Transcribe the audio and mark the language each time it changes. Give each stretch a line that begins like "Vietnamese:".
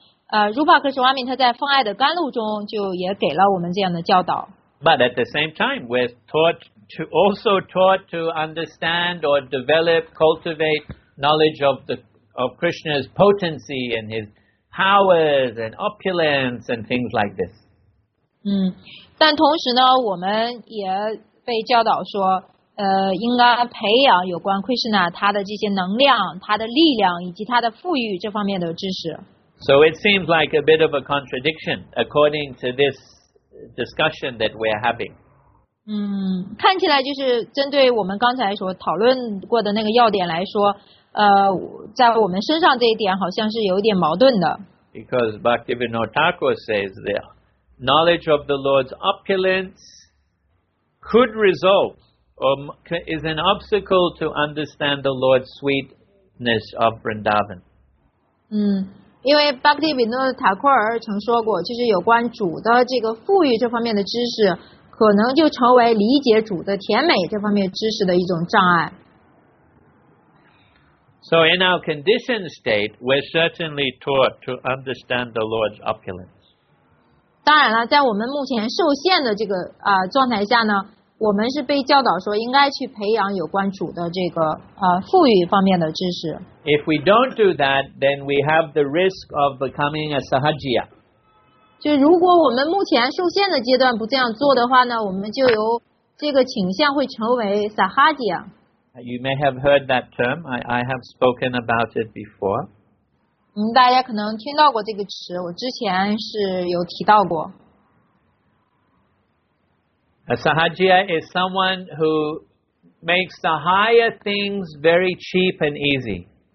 Chinese: Rupa Goswami 他在奉爱的甘露中就也给了我们这样的教导。
English: But at the same time, we're taught to understand or develop, cultivate knowledge of Krishna's potency and his powers and opulence and things like this.
Chinese: 但同时呢，我们也被教导说，应该培养有关 Krishna 他的这些能量、他的力量以及他的富裕这方面的知识。
English: So it seems like a bit of a contradiction according to this discussion that we're having.
Chinese: 看起来就是针对我们刚才所讨论过的那个要点来说，在我们身上这一点好像是有一点矛盾的。
English: Because Bhaktivinoda Thakur says there, knowledge of the Lord's opulence could result or is an obstacle to understand the Lord's sweetness of Vrindavan.
Chinese: 因为 Bhaktivinoda Thakur 曾说过，就是有关主的这个富裕这方面的知识，可能就成为理解主的甜美这方面知识的一种障碍。
English: So in our conditioned state, we're certainly taught to understand the Lord's opulence.
Chinese: 当然了，在我们目前受限的这个状态下呢，我们是被教导说应该去培养有关主的这个富裕方面的知识。
English: If we don't do that, then we have the risk of becoming a sahajiya.
Chinese: 就如果我们目前受限的阶段不这样做的话呢，我们就有这个倾向会成为 sahajiya。
English: You may have heard that term. I have spoken about it before.
Chinese: 大家可能听到过这个词，我之前是有提到过。
English: A sahajiya is someone who makes the higher things very cheap and easy.